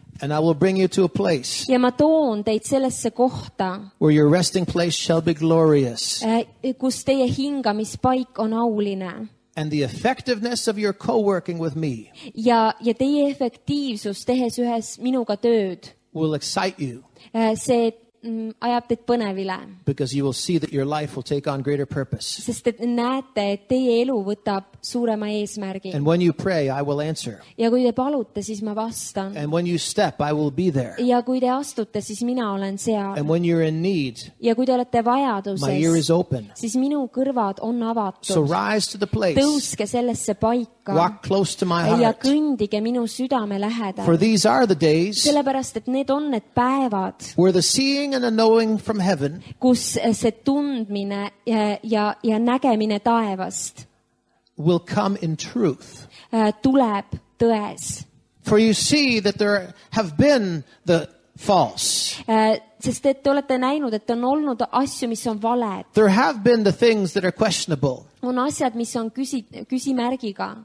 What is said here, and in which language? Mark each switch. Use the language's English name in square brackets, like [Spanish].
[English] And I will bring you to a place. [Estonian] Ja ma toon teid sellesse kohta. [English] Where your resting place shall be glorious. [Estonian] Kus teie hingamispaik on auline. [English] And the effectiveness of your co-working with me. [Estonian] Ja teie effektiivsus tehes ühes minuga tööd. [English] Will excite you. [Estonian] See ajab teid põnevile. [English] Because you will see that your life will take on greater purpose. [Estonian] Sest te näete, et teie elu võtab suurema eesmärgi. [English] And when you pray, I will answer. [Estonian] Ja kui te palute, siis ma vastan. [English] And when you step, I will be there. [Estonian] Ja kui te astute, siis mina olen seal. [English] And when you're in need, [Estonian] ja kui te olete vajaduses, [English] my ear is open. [Estonian] Siis minu kõrvad on avatud. [English] So rise to the place. [Estonian] Tõuske sellesse paika. [English] Walk close to my heart. [Estonian] Ja kõndige minu südame lähedal. [English] For these are the days, [Estonian] sellepärast, et need on need päevad, [English] where the seeing and a knowing from heaven. [Estonian] Kus see tundmine ja nägemine taevast. [English] Will come in truth. [Estonian] Tuleb tões. [English] For you see that there have been the false. [Estonian] Sest te olete näinud, et on olnud asju, mis on valed. [English] There have been the things that are questionable. [Estonian] On asjad, mis on küsimärgiga.